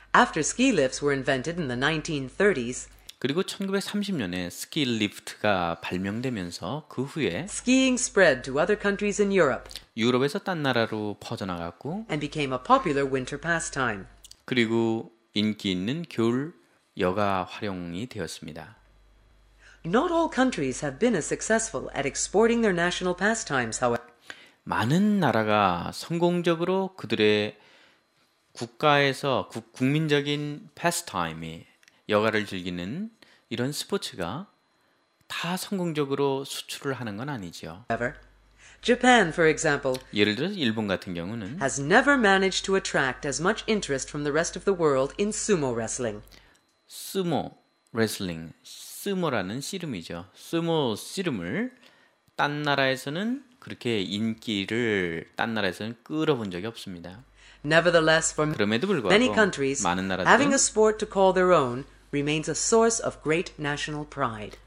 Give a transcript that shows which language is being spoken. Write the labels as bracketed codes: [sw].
[en] After ski lifts were invented in the 1930s, [ko] 그리고 1930년에 스키 리프트가 발명되면서 그 후에 [en] skiing spread to other countries in Europe. [ko] 유럽에서 딴 나라로 퍼져나갔고 [en] and became a popular winter pastime. [ko] 그리고 인기 있는 겨울 여가 활용이 되었습니다. [en] Not all countries have been as successful at exporting their national pastimes, however. [ko] 많은 나라가 성공적으로 그들의 국가에서 국민적인 pastime이 여가를 즐기는 이런 스포츠가 다 성공적으로 수출을 하는 건 아니지요. [en] Japan, for example, [ko] 예를 들어 일본 같은 경우는 [en] has never managed to attract as much interest from the rest of the world in sumo wrestling. [ko] Sumo wrestling, 스모라는 씨름이죠. 스모 씨름을 딴 나라에서는 그렇게 인기를 딴 나라에서는 끌어본 적이 없습니다. [en] Nevertheless, for [ko] 그럼에도 불구하고 [en] many countries, [ko] 많은 나라들 [en] having a sport to call their own remains a source of great national pride.